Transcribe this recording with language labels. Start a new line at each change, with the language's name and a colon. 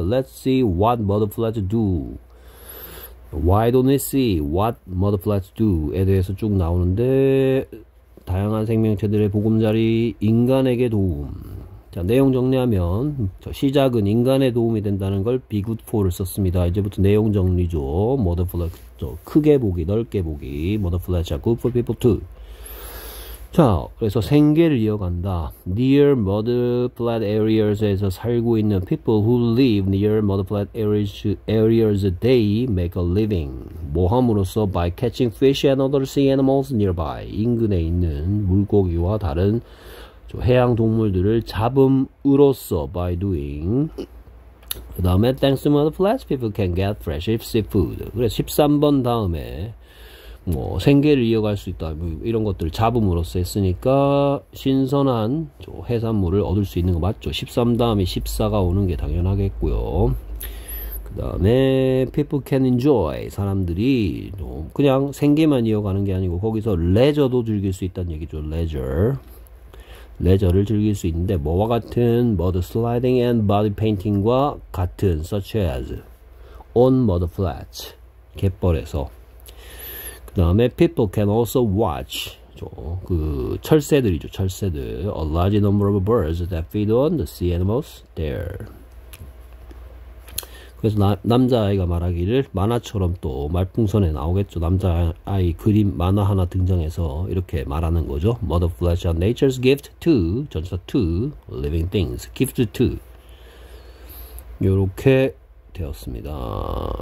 English: Let's see what mudflats do. Why don't we see what mudflats do?
Korean: 에 대해서 쭉 나오는데, 다양한 생명체들의 보금자리, 인간에게 도움. 자, 내용 정리하면, 시작은 인간에 도움이 된다는 걸 be good for를 썼습니다. 이제부터 내용 정리죠. 크게 보기, 넓게 보기.
English: Mudflats are good for people too.
Korean: 자, 그래서 생계를 이어간다.
English: Near mudflat areas
Korean: 에서 살고 있는
English: people who live near mudflat areas, they make a living.
Korean: 뭐함으로써?
English: By catching fish and other sea animals nearby.
Korean: 인근에 있는 물고기와 다른 해양 동물들을 잡음으로써
English: by doing. 그 다음에 thanks to mudflats, people can get fresh seafood.
Korean: 그래서 13번 다음에 뭐 생계를 이어갈 수 있다 뭐 이런 것들을 잡음으로써 했으니까 신선한 해산물을 얻을 수 있는 거 맞죠? 13 다음에 14가 오는 게 당연하겠고요. 그 다음에
English: people can enjoy
Korean: 사람들이 그냥 생계만 이어가는 게 아니고 거기서 레저도 즐길 수 있다는 얘기죠. 레저를 즐길 수 있는데 뭐와 같은
English: mud sliding and body painting
Korean: 과 같은
English: such as on mud flats
Korean: 갯벌에서 그 다음에
English: people can also watch
Korean: 철새들이죠. 철새들
English: a large number of birds that feed on the sea animals there.
Korean: 그래서 남자아이가 말하기를 만화처럼 또 말풍선에 나오겠죠. 남자아이 그림 만화 하나 등장해서 이렇게 말하는 거죠.
English: Mother Flesh and Nature's Gift to, 전사 to, Living Things, Gift to.
Korean: 요렇게 되었습니다.